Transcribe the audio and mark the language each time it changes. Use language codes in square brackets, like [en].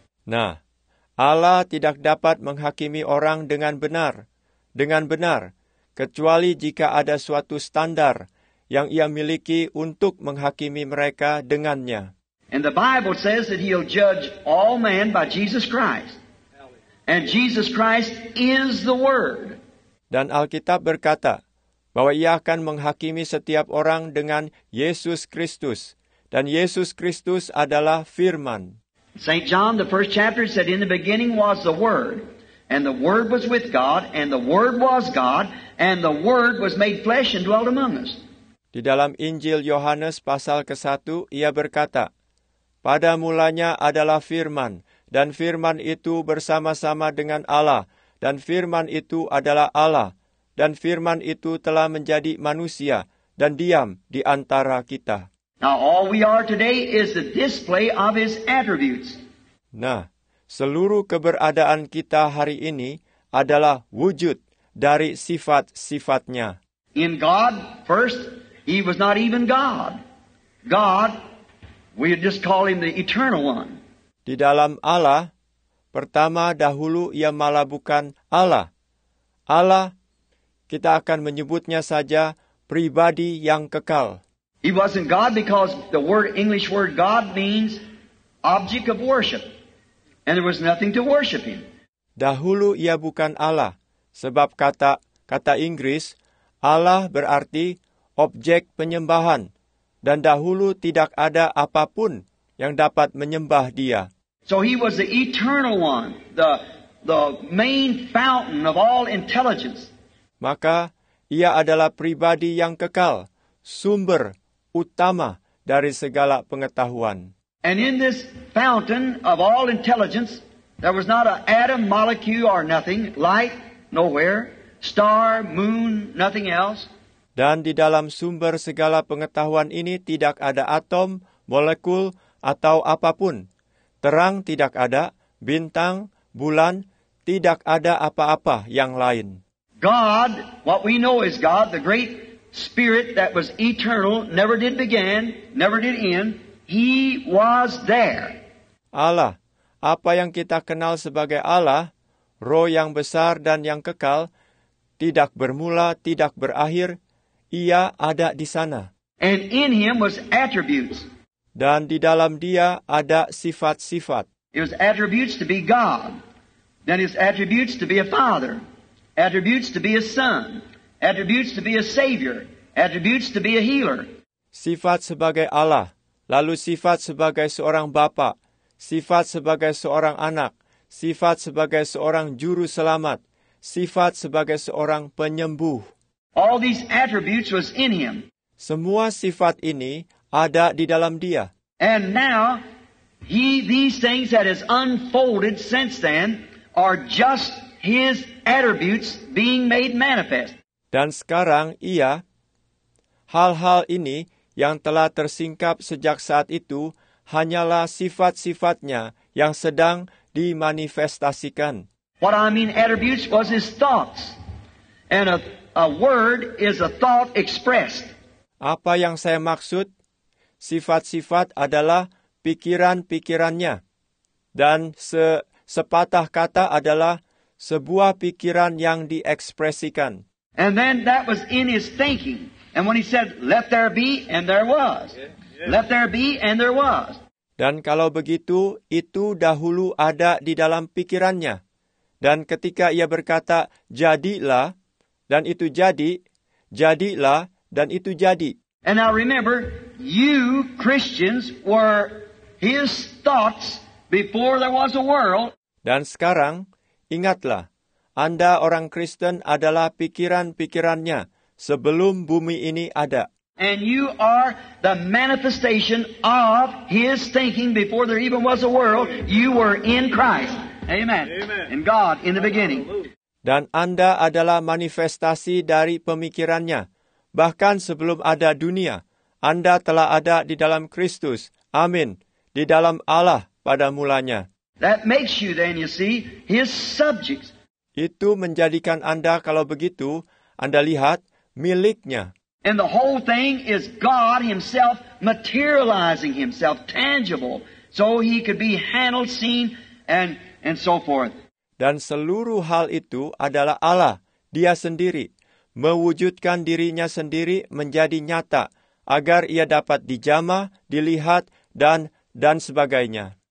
[id] Nah, Allah tidak dapat menghakimi orang dengan benar kecuali jika ada suatu standar yang ia miliki untuk menghakimi mereka dengannya. [en] And the Bible says that he'll judge all men by Jesus Christ. And Jesus Christ is the Word. [id] Dan Alkitab berkata bahwa ia akan menghakimi setiap orang dengan Yesus Kristus. Dan Yesus Kristus adalah Firman. [en] St. John, the first chapter, said in the beginning was the Word. And the Word was with God. And the Word was God. And the Word was made flesh and dwelt among us. [id] Di dalam Injil Yohanes pasal ke-1, ia berkata, pada mulanya adalah Firman. Dan firman itu bersama-sama dengan Allah, dan firman itu adalah Allah, dan firman itu telah menjadi manusia, dan diam di antara kita. [en] Now all we are today is the display of his attributes. [id] Nah, seluruh keberadaan kita hari ini adalah wujud dari sifat-sifatnya. [en] In God, first, he was not even God. God, we just call him the eternal one. [id] Di dalam Allah, pertama dahulu ia malah bukan Allah. Allah, kita akan menyebutnya saja pribadi yang kekal. [en] He wasn't God because the word English word God means object of worship. And there was nothing to worship him. [id] Dahulu ia bukan Allah, sebab kata Inggris, Allah berarti objek penyembahan. Dan dahulu tidak ada apapun yang dapat menyembah dia. [en] So he was the eternal one, the main fountain of all intelligence. [id] Maka ia adalah pribadi yang kekal, sumber utama dari segala pengetahuan. [en] And in this fountain of all intelligence, there was not an atom, molecule, or nothing, light, nowhere, star, moon, nothing else. [id] Dan di dalam sumber segala pengetahuan ini tidak ada atom, molekul, atau apapun. Terang tidak ada, bintang, bulan, tidak ada apa-apa yang lain. [en] God, what we know is God, the great spirit that was eternal, never did begin, never did end, he was there. [id] Allah, apa yang kita kenal sebagai Allah, roh yang besar dan yang kekal, tidak bermula, tidak berakhir, ia ada di sana. [en] And in him was attributes. [id] Dan di dalam dia ada sifat-sifat. [en] It was attributes to be God. Then his attributes to be a father. Attributes to be a son. Attributes to be a savior. Attributes to be a healer. [id] Sifat sebagai Allah. Lalu sifat sebagai seorang bapa. Sifat sebagai seorang anak. Sifat sebagai seorang juru selamat. Sifat sebagai seorang penyembuh. [en] All these attributes was in him. [id] Semua sifat ini ada di dalam dia. [en] And now, these things that has unfolded since then are just his attributes being made manifest. [id] Dan sekarang ia, hal-hal ini yang telah tersingkap sejak saat itu hanyalah sifat-sifatnya yang sedang dimanifestasikan. [en] What I mean attributes was his thoughts. And a word is a thought expressed. [id] Apa yang saya maksud? Sifat-sifat adalah pikiran-pikirannya. Dan sepatah kata adalah sebuah pikiran yang diekspresikan. [en] And then that was in his thinking. And when he said, let there be, and there was. Let there be, and there was. [id] Dan kalau begitu, itu dahulu ada di dalam pikirannya. Dan ketika ia berkata, jadilah, dan itu jadi, jadilah, dan itu jadi. [en] And now remember, you Christians were his thoughts before there was a world. [id] Dan sekarang, ingatlah, Anda orang Kristen adalah pikiran-pikirannya sebelum bumi ini ada. [en] And you are the manifestation of his thinking before there even was a world. You were in Christ. Amen. Amen. In God in the beginning. [id] Dan Anda adalah manifestasi dari pemikirannya. Bahkan sebelum ada dunia, Anda telah ada di dalam Kristus. Amin. Di dalam Allah pada mulanya. [en] That makes you then, you see, his subjects. [id] Itu menjadikan Anda kalau begitu, Anda lihat, miliknya. [en] And the whole thing is God himself materializing himself, tangible, so he could be handled, seen, and so forth. [id] Dan seluruh hal itu adalah Allah, dia sendiri, mewujudkan dirinya sendiri menjadi nyata, agar ia dapat dijamah, dilihat, dan sebagainya.